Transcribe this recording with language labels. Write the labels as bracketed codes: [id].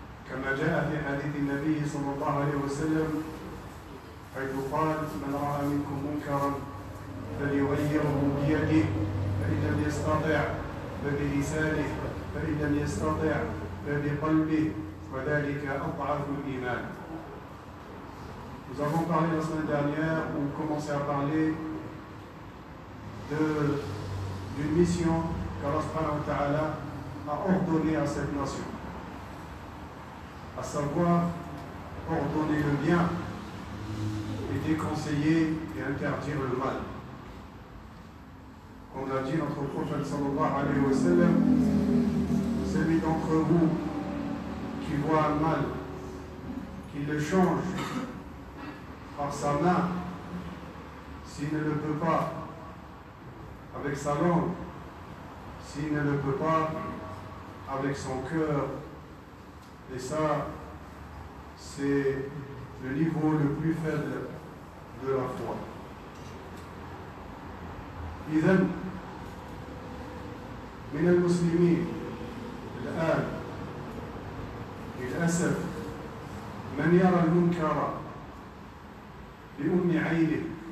[ar] كما جاء في حديث النبي صلى الله عليه وسلم حيث قال من رأى منكم منكرا فليغيره بيده فإن لم يستطع فبلسانه فإن لم يستطع فبقلبه وذلك أضعف الإيمان. [fr] Nous avons parlé la semaine dernière, ou commencé à parler d'une mission qu'Allah subhanahu wa ta'ala a ordonnée à cette nation, à savoir ordonner le bien et déconseiller et interdire le mal. Comme l'a dit notre prophète sallallahu alayhi wa sallam, celui d'entre vous qui voit un mal, qui le change par sa main, s'il ne le peut pas, avec sa langue, s'il ne le peut pas, avec son cœur. Et ça, c'est le niveau le plus faible de la foi. [ar] إذن من المسلمين الآن للأسف من يرى المنكر بأم عينه